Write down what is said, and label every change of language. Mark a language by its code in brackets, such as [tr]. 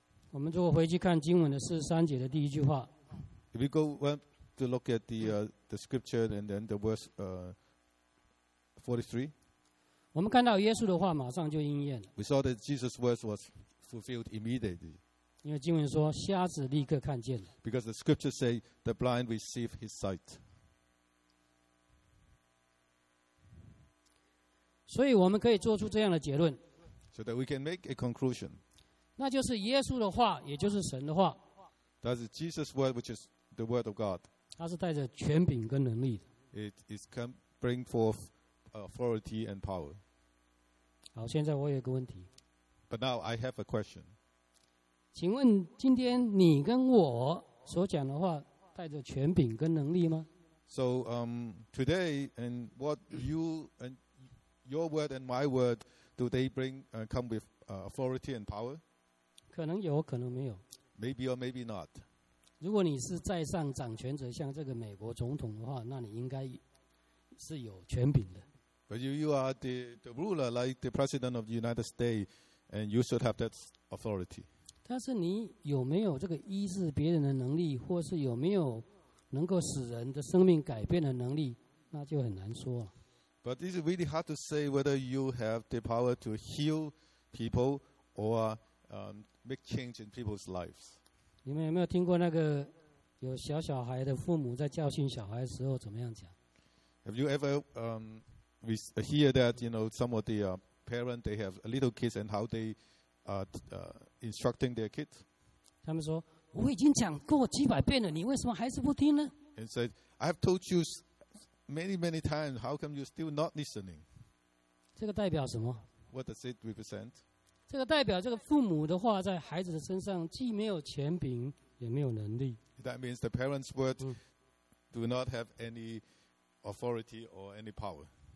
[zh] 我们如果回去看经文的43节的第一句话 [en] ，If we go back to look at the scripture and then the verse 43. [zh] 我们看到耶稣的话马上就应验了。 [en] We saw that Jesus' words was fulfilled immediately. [zh] 因为经文说瞎子立刻看见了。 [en] Because the scripture say the blind receive his sight. [zh] 所以我们可以做出这样的结论。 [en] So that we can make a conclusion. [zh] 那就是耶稣的话，也就是神的话。 [en] That is Jesus' word, which is the word of God. [zh] 他是带着权柄跟能力的。 [en] It is can bring forth authority and power. [zh] 好，现在我有一个问题。 [en] But now I have a question. [zh] 请问今天你跟我所讲的话带着权柄跟能力吗？ [en] So today and what you and your word and my word do they bring come with authority and power? [zh] 可能有，可能没有。 [en] Maybe or maybe not. [zh] 如果你是在上掌权者，像这个美国总统的话，那你应该是有权柄的。 [en] But you are the ruler, like the president of the United States, and you should have that authority. [zh] 但是你有没有这个医治别人的能力，或是有没有能够使人的生命改变的能力，那就很难说了。 [en] But it's really hard to say whether you have the power to heal people or make change in people's lives. [zh] 你们有没有听过那个有小小孩的父母在教训小孩的时候怎么样讲？ [en] Have you ever hear that you know some of the parents they have little kids and how they instructing their kids? [zh] 他们说我已经讲过几百遍了，你为什么还是不听呢？ [en] And said, I have told you many times. How come you're still not listening? [zh] 这个代表什么？ [en] What does it represent? [zh] 这个代表这个父母的话在孩子的身上既没有权柄也没有能力。 [en] That means the parents' words do not have any authority or any power.